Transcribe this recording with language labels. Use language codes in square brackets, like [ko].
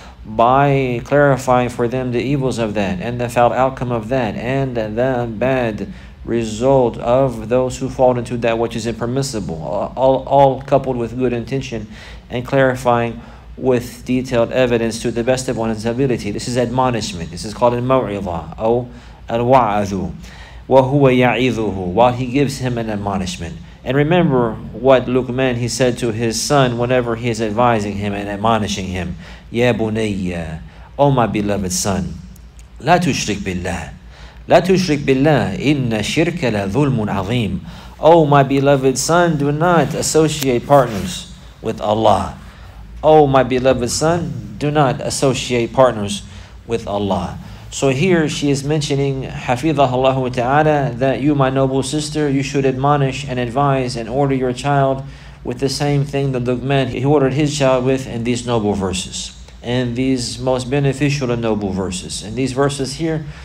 [en] by clarifying for them the evils of that and the foul outcome of that and the bad result of those who fall into that which is impermissible, all coupled with good intention and clarifying with detailed evidence to the best of one's ability. This is admonishment. This is called al-maw'idha, or al-wa'adhu. [ar] وَهُوَ يَعِذُهُ, [en] while he gives him an admonishment. And remember what Luqman, he said to his son whenever he is advising him and admonishing him. [ar] يَا بُنَيَّ, [en] O my beloved son, [ar] لَا تُشْرِكْ بِاللَّهِ لَا تُشْرِكْ بِاللَّهِ إِنَّ شِرْكَ لَظُلْمٌ عَظِيمٌ. [en] O my beloved son, do not associate partners with Allah. O my beloved son, do not associate partners with Allah. So here she is mentioning, [ar] حَفِظَهَ اللَّهُ تَعَالَى, [en] that you, my noble sister, you should admonish and advise and order your child with the same thing that Luqman, he ordered his child with in these noble verses, and these most beneficial and noble verses. And these verses here,